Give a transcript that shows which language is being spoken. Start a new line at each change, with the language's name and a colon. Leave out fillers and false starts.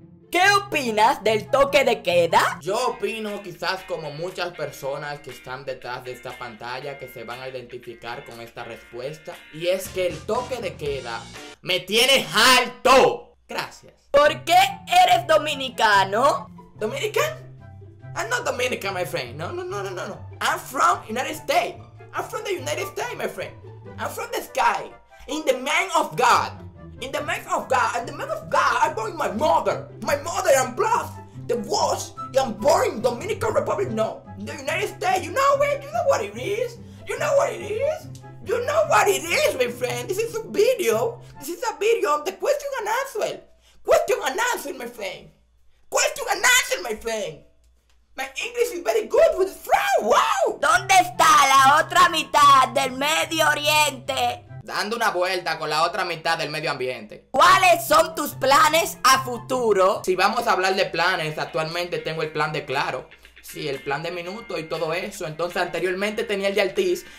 Spanish: ¿Qué opinas del toque de queda? Yo opino, quizás como muchas personas que están detrás de esta pantalla, que se van a identificar con esta respuesta, y es que el toque de queda me tiene harto. Gracias. ¿Por qué eres dominicano? ¿Dominicano?
English: I'm not Dominican, my friend. No. I'm from United States. I'm from the United States, my friend. I'm from the sky. In the name of God. In the name of God. In the name of God, I'm born my mother. My mother, I'm blessed. The worst, I'm born in Dominican Republic. No. In the United States. You know it. You know what it is. You know what it is. You know what it is, my friend. This is a video. This is a video of the question and answer. Question and answer, my friend. Question and answer, my friend. My English is very good with French, wow!
Spanish: ¿Dónde está la otra mitad del Medio Oriente? Dando una vuelta con la otra mitad del medio ambiente. ¿Cuáles son tus planes a futuro? Si vamos a hablar de planes, actualmente tengo el plan de Claro. Sí, el plan de Minuto y todo eso. Entonces anteriormente tenía el de Altiz.